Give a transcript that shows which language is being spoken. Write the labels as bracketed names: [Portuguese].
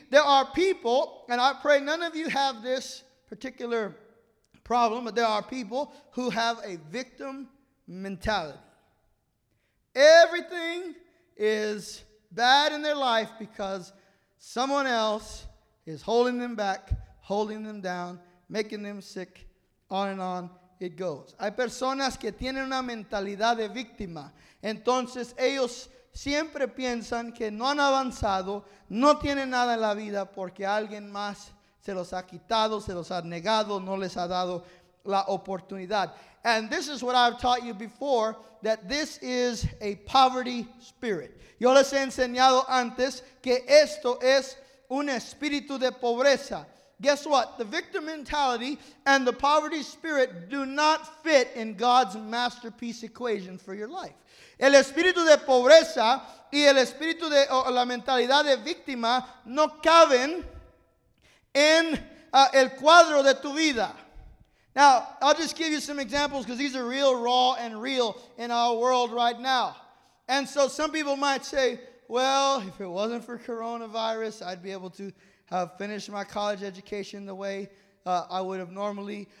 [English] There are people, and I pray none of you have this particular problem, but there are people who have a victim mentality. Everything is bad in their life because someone else is holding them back, holding them down, making them sick, on and on it goes. [Spanish] Hay personas que tienen una mentalidad de víctima. Entonces ellos siempre piensan que no han avanzado, no tienen nada en la vida porque alguien más se los ha quitado, se los ha negado, no les ha dado la oportunidad. [English] And this is what I've taught you before, that this is a poverty spirit. [Spanish] Yo les he enseñado antes que esto es un espíritu de pobreza. [English] Guess what? The victim mentality and the poverty spirit do not fit in God's masterpiece equation for your life. [Spanish] El espíritu de pobreza y el espíritu de o la mentalidad de víctima no caben en el cuadro de tu vida. [English] Now, I'll just give you some examples because these are real, raw, and real in our world right now. And so some people might say, well, if it wasn't for coronavirus, I'd be able to have finished my college education the way I would have normally.